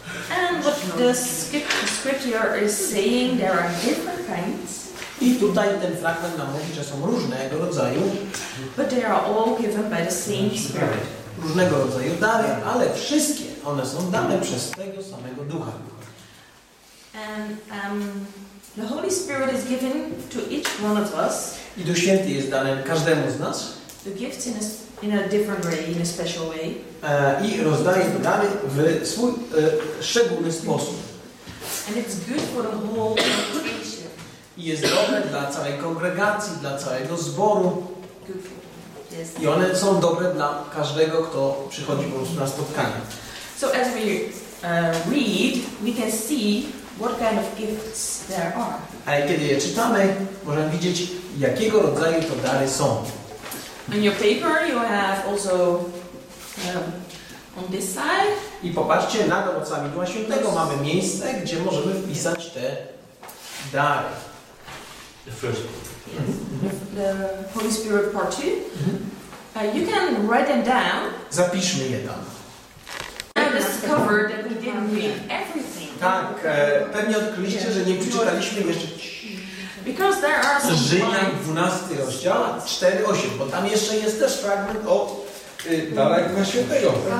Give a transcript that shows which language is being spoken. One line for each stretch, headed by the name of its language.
English: And what the scripture is saying, there are different kinds.
Polish: I tutaj ten fragment nam mówi, że są różnego rodzaju.
English: But they are all given by the same Spirit.
Polish: Różnego rodzaju dary, ale wszystkie one są dane przez tego samego Ducha.
English: And the Holy Spirit is given to each one of us.
Polish: I Duch Święty jest dany każdemu z nas.
English: The gifts in a different way, in a special way.
Polish: I rozdaje dary w swój szczególny sposób.
English: And it's good for the whole congregation.
Polish: I jest dobre dla całej kongregacji, dla całego zboru.
English: Good for them. Yes.
Polish: I one są dobre dla każdego, kto przychodzi po prostu na spotkanie.
English: So as we read, we can see what kind of gifts there are.
Polish: Ale kiedy je czytamy, możemy widzieć, jakiego rodzaju to dary są.
English: On your paper you have also on this side.
Polish: I popatrzcie, na dowodzami Ducha Świętego mamy miejsce, gdzie możemy wpisać te dary.
English: The first one. The Holy Spirit part 2. You can write them down.
Polish: Zapiszmy je tam.
English: Discovered that we didn't read everything.
Polish: Tak, pewnie odkryliście, że nie przeczytaliśmy jeszcze.
English: Because there are some
Polish: Żynia 12 rozdział 4-8, bo tam jeszcze jest też fragment o darach Ducha Świętego.